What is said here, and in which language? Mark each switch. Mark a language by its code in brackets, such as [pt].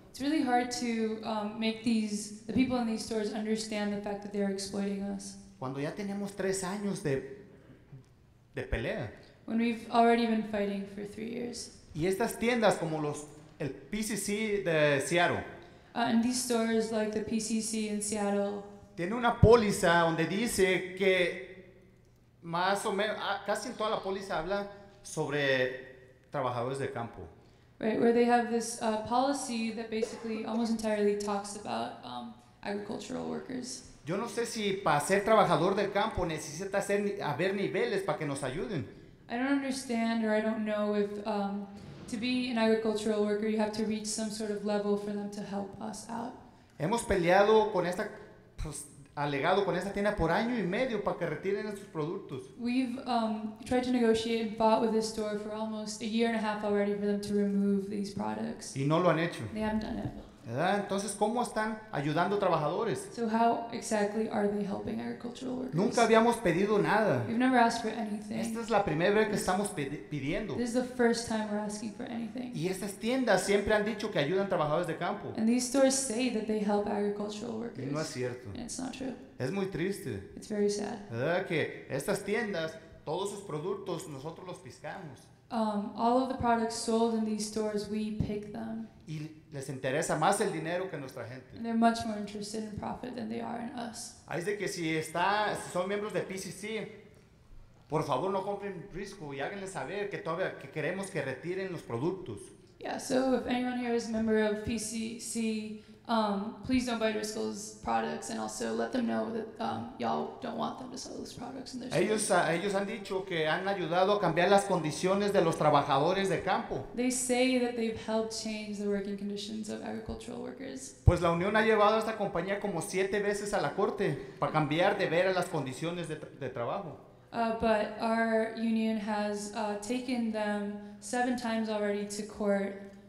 [en] It's really hard to make the people in these stores understand the fact that they're exploiting us. [es] Cuando ya tenemos 3 años de pelea. [en] When we've already been fighting for 3 years. [es] Y estas tiendas como el PCC de Seattle. [en] And these stores like the PCC in Seattle. [es] Tiene una póliza donde dice que más o menos, casi toda la póliza habla sobre trabajadores de campo. [en] Right, where they have this policy that basically almost entirely talks about agricultural workers. [es] Yo no sé si para ser trabajador del campo necesita haber niveles para que nos ayuden. [en] I don't understand or I don't know if to be an agricultural worker you have to reach some sort of level for them to help us out. [es] Hemos peleado con esta, pues, alegado con esta tienda por año y medio para que retiren estos productos. [en] We've tried to negotiate and fought with this store for almost a year and a half already for them to remove these products. [es] Y no lo han hecho. [en] They haven't done it. [es] ¿Verdad? Entonces, ¿cómo están ayudando trabajadores? [en] So how exactly are they helping agricultural workers? [es] Nunca habíamos pedido nada. [en] We've never asked for anything. [es] Esta es la primera vez que estamos pidiendo. [en] This is the first time we're asking for anything. [es] Y estas tiendas siempre han dicho que ayudan trabajadores de campo. [en] And these stores say that they help agricultural workers. [es] Y no es cierto. [en] And it's not true. [es] Es muy triste. [en] It's very sad. [es] ¿Verdad? Que estas tiendas, todos sus productos, nosotros los piscamos. [en] All of the products sold in these stores, we pick them. [es] Y les interesa más el dinero que nuestra gente. [en] And they're much more interested in profit than they are in us. [es] Es de que si está, si son miembros de PCC, por favor no compren Risco y háganle saber que todavía que queremos que retiren los productos. [en] Yeah, so if anyone here is a member of PCC, please don't buy Risco's products and also let them know that y'all don't want them to sell those products in their stores. [es] Ellos han dicho que han ayudado a cambiar las condiciones de los trabajadores de campo. [en] They say that they've helped change the working conditions of agricultural workers. [es] Pues la Unión ha llevado a esta compañía como 7 veces a la corte para cambiar de ver a las condiciones de trabajo. [en] But our union has taken them 7 times already to court.